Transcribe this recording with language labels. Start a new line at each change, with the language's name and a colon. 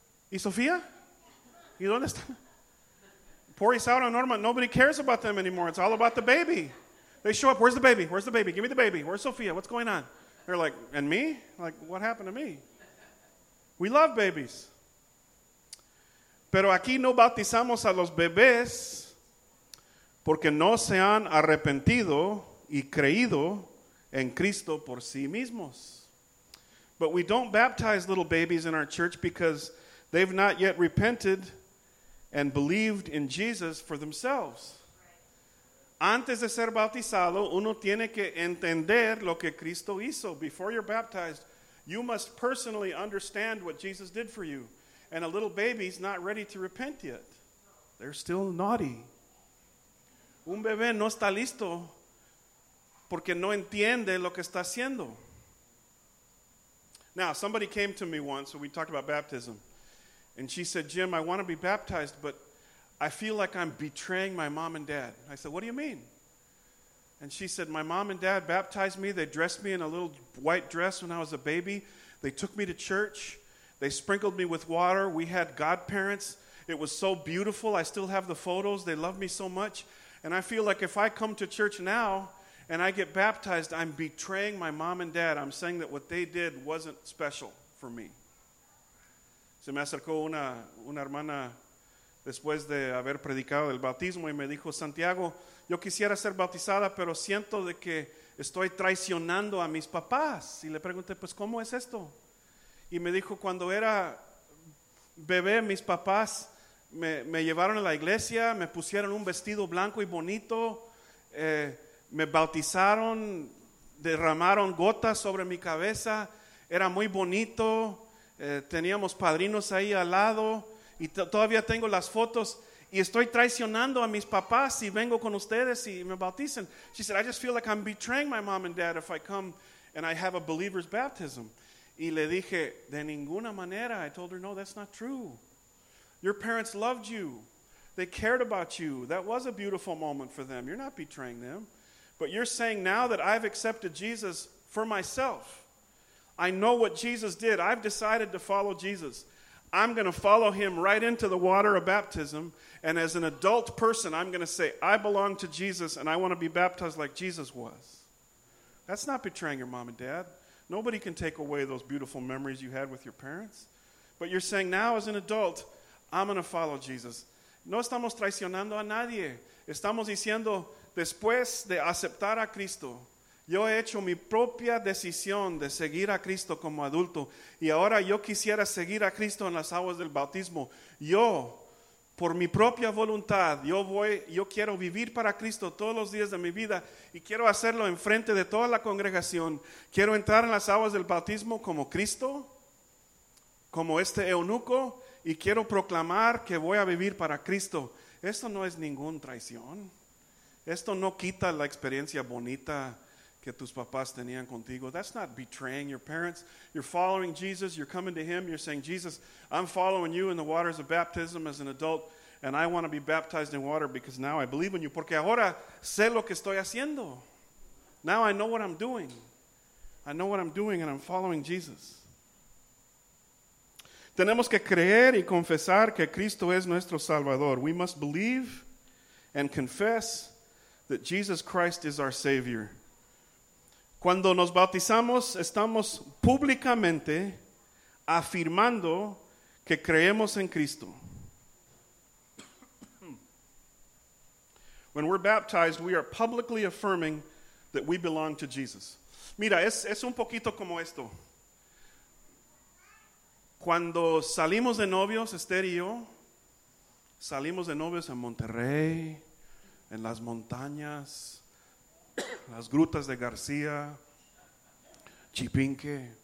Spanish: ¿Y Sofía? ¿Y dónde están?
English: Poor Isauro and Norma, nobody cares about them anymore. It's all about the baby. They show up, where's the baby? Where's the baby? Give me the baby. Where's Sofía? What's going on? They're like, and me? Like, what happened to me? We love babies.
Spanish: Pero aquí no bautizamos a los bebés porque no se han arrepentido y creído en Cristo por sí mismos.
English: But we don't baptize little babies in our church because they've not yet repented and believed in Jesus for themselves.
Spanish: Antes de ser bautizado, uno tiene que entender lo que Cristo hizo.
English: Before you're baptized, you must personally understand what Jesus did for you. And a little baby's not ready to repent yet. They're still naughty.
Spanish: Un bebé no está listo porque no entiende lo que está haciendo.
English: Now, somebody came to me once, and we talked about baptism. And she said, Jim, I want to be baptized, but I feel like I'm betraying my mom and dad. I said, what do you mean? And she said, my mom and dad baptized me. They dressed me in a little white dress when I was a baby. They took me to church. They sprinkled me with water. We had godparents. It was so beautiful. I still have the photos. They love me so much. And I feel like if I come to church now and I get baptized, I'm betraying my mom and dad. I'm saying that what they did wasn't special for me.
Spanish: Se me acercó una hermana después de haber predicado el bautismo y me dijo, Santiago, yo quisiera ser bautizada, pero siento de que estoy traicionando a mis papás. Y le pregunté, pues, ¿cómo es esto? Y me dijo, cuando era bebé, mis papás me llevaron a la iglesia, me pusieron un vestido blanco y bonito, me bautizaron, derramaron gotas sobre mi cabeza, era muy bonito. Teníamos padrinos ahí al lado y todavía tengo las fotos y estoy traicionando a mis papás si vengo con ustedes y me bautizan.
English: She said, I just feel like I'm betraying my mom and dad if I come and I have a believer's baptism.
Spanish: Y le dije, de ninguna manera.
English: I told her, no, that's not true. Your parents loved you. They cared about you. That was a beautiful moment for them. You're not betraying them. But you're saying now that I've accepted Jesus for myself, I know what Jesus did. I've decided to follow Jesus. I'm going to follow him right into the water of baptism. And as an adult person, I'm going to say, I belong to Jesus and I want to be baptized like Jesus was. That's not betraying your mom and dad. Nobody can take away those beautiful memories you had with your parents. But you're saying now as an adult, I'm going to follow Jesus.
Spanish: No estamos traicionando a nadie. Estamos diciendo, después de aceptar a Cristo, yo he hecho mi propia decisión de seguir a Cristo como adulto y ahora yo quisiera seguir a Cristo en las aguas del bautismo. Yo, por mi propia voluntad, yo quiero vivir para Cristo todos los días de mi vida y quiero hacerlo en frente de toda la congregación. Quiero entrar en las aguas del bautismo como Cristo, como este eunuco, y quiero proclamar que voy a vivir para Cristo. Esto no es ninguna traición. Esto no quita la experiencia bonita que tus papás tenían contigo.
English: That's not betraying your parents. You're following Jesus. You're coming to him. You're saying, Jesus, I'm following you in the waters of baptism as an adult, and I want to be baptized in water because now I believe in you.
Spanish: Porque ahora sé lo que estoy haciendo.
English: Now I know what I'm doing. I know what I'm doing, and I'm following Jesus.
Spanish: Tenemos que creer y confesar que Cristo es nuestro Salvador.
English: We must believe and confess that Jesus Christ is our Savior.
Spanish: Cuando nos bautizamos, estamos públicamente afirmando que creemos en Cristo.
English: When we're baptized, we are publicly affirming that we belong to Jesus.
Spanish: Mira, es un poquito como esto. Cuando salimos de novios, Esther y yo, salimos de novios en Monterrey, en las montañas, las grutas de García, Chipinque.